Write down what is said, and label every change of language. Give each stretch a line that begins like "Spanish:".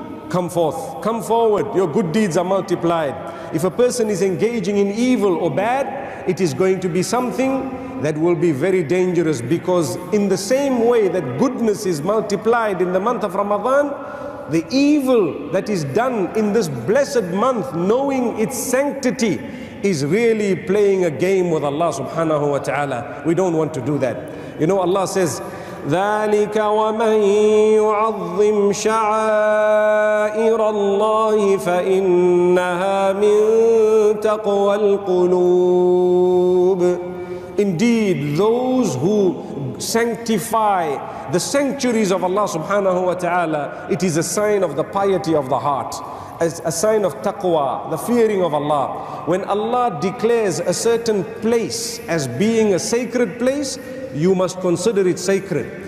English: Come forth, come forward, your good deeds are multiplied. If a person is engaging in evil or bad, it is going to be something that will be very dangerous, because in the same way that goodness is multiplied in the month of Ramadan, the evil that is done in this blessed month, knowing its sanctity, is really playing a game with Allah subhanahu wa ta'ala. We don't want to do that. You know, Allah says,
Arabic: ذَلِكَ وَمَنْ يُعَظِّمْ شَعَائِرَ اللَّهِ فَإِنَّهَا مِنْ تَقْوَى الْقُلُوبِ.
English: Indeed, those who sanctify the sanctuaries of Allah subhanahu wa ta'ala, it is a sign of the piety of the heart, as a sign of taqwa, the fearing of Allah. When Allah declares a certain place as being a sacred place, you must consider it sacred.